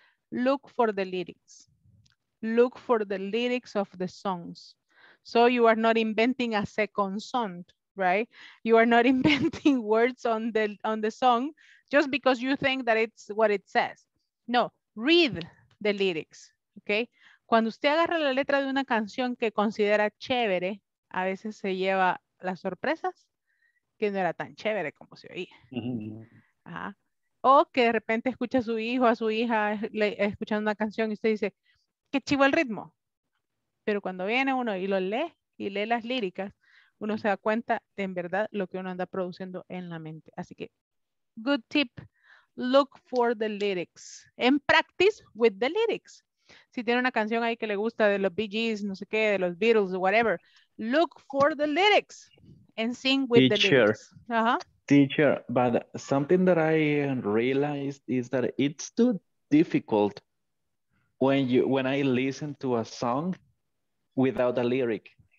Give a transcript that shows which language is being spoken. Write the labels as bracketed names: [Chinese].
[English] Look for the lyrics. Look for the lyrics of the songs. So you are not inventing a second song, right? You are not inventing words on the song just because you think that it's what it says. No, read the lyrics, okay? [Spanish] Cuando usted agarra la letra de una canción que considera chévere, a veces se lleva las sorpresas que no era tan chévere como se oía. Ajá. O que de repente escucha a su hijo, a su hija, escuchando una canción y usted dice, qué chivo el ritmo. Pero cuando viene uno y lo lee y lee las líricas, uno se da cuenta de en verdad lo que uno anda produciendo en la mente. Así que, [English] good tip, look for the lyrics. And practice with the lyrics. [Spanish] Si tiene una canción ahí que le gusta de los Bee Gees, no sé qué, de los Beatles, [English] whatever, look for the lyrics and sing with teacher, the lyrics. Teacher, but something that I realized is that it's too difficult when I listen to a song without a lyric.